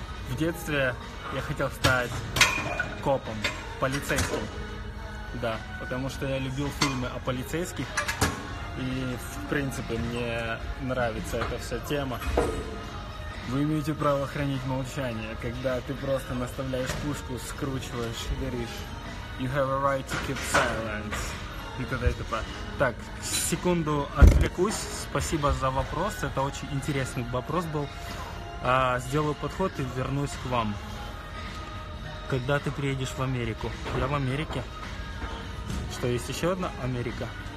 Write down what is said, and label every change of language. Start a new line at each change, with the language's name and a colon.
Russian: В детстве я хотел стать копом, полицейским. Да, потому что я любил фильмы о полицейских. И, в принципе, мне нравится эта вся тема. Вы имеете право хранить молчание, когда ты просто наставляешь пушку, скручиваешь и горишь.
English: You have a right to keep silence.
Russian: И т.д. и т.п. Так, секунду отвлекусь. Спасибо за вопрос. Это очень интересный вопрос был. Сделаю подход и вернусь к вам. Когда ты приедешь в Америку? Я в Америке. Что, есть еще одна Америка?